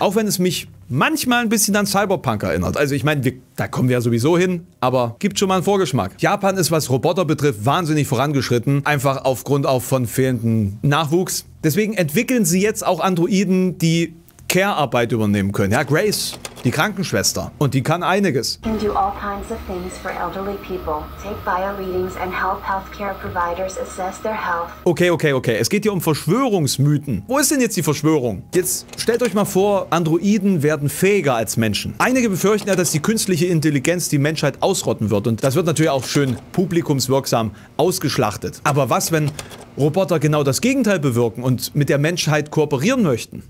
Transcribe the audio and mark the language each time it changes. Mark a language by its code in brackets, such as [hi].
[de] Auch wenn es mich manchmal ein bisschen an Cyberpunk erinnert. Also ich meine, da kommen wir ja sowieso hin, aber gibt schon mal einen Vorgeschmack. Japan ist, was Roboter betrifft, wahnsinnig vorangeschritten. Einfach aufgrund auch von fehlendem Nachwuchs. Deswegen entwickeln sie jetzt auch Androiden, die Care-Arbeit übernehmen können. Ja, Grace, die Krankenschwester. Und die kann einiges. Sie kann [en] all kinds of things for elderly people. Take bio readings and help healthcare providers assess their health. Okay. [de] Es geht hier um Verschwörungsmythen. Wo ist denn jetzt die Verschwörung? Jetzt stellt euch mal vor, Androiden werden fähiger als Menschen. Einige befürchten ja, dass die künstliche Intelligenz die Menschheit ausrotten wird. Und das wird natürlich auch schön publikumswirksam ausgeschlachtet. Aber was, wenn Roboter genau das Gegenteil bewirken und mit der Menschheit kooperieren möchten?